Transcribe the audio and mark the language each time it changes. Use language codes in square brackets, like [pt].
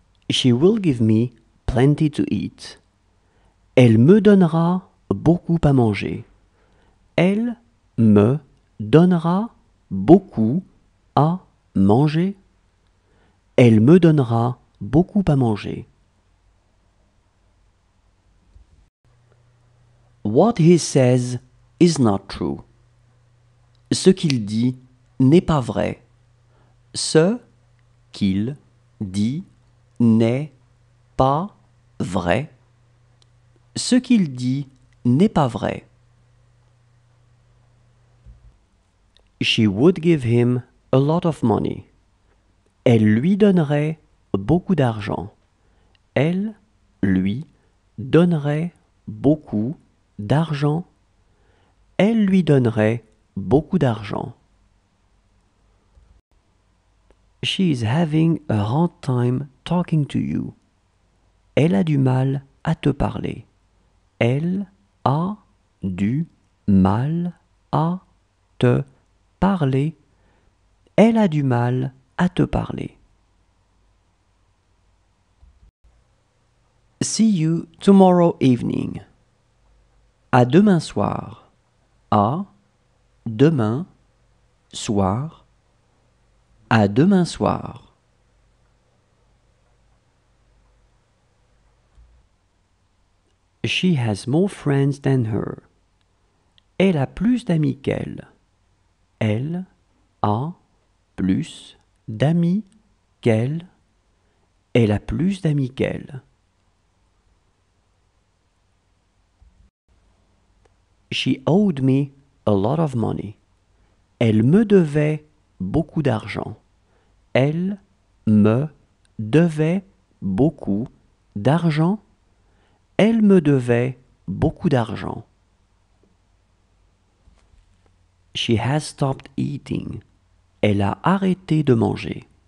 [en] She will give me plenty to eat. [fr] Elle me donnera beaucoup à manger. Elle me donnera beaucoup à manger. Elle me donnera beaucoup à manger. [en] What he says is not true. [fr] Ce qu'il dit n'est pas vrai. Ce qu'il dit n'est pas vrai. Ce qu'il dit n'est pas vrai. [en] She would give him a lot of money. [fr] Elle lui donnerait beaucoup d'argent. Elle lui donnerait beaucoup d'argent. Elle lui donnerait beaucoup d'argent. [en] She is having a hard time talking to you. [fr] Elle a du mal à te parler. Elle a du mal à te parler. Elle a du mal à te parler. [en] See you tomorrow evening. [fr] À demain soir. À demain soir. À demain soir. [en] She has more friends than her. [fr] Elle a plus d'amis qu'elle. Elle a plus d'amis qu'elle. Elle a plus d'amis qu'elle. [en] She owed me a lot of money. [fr] Elle me devait beaucoup d'argent. Elle me devait beaucoup d'argent. Elle me devait beaucoup d'argent. [en] She has stopped eating. [fr] Elle a arrêté de manger.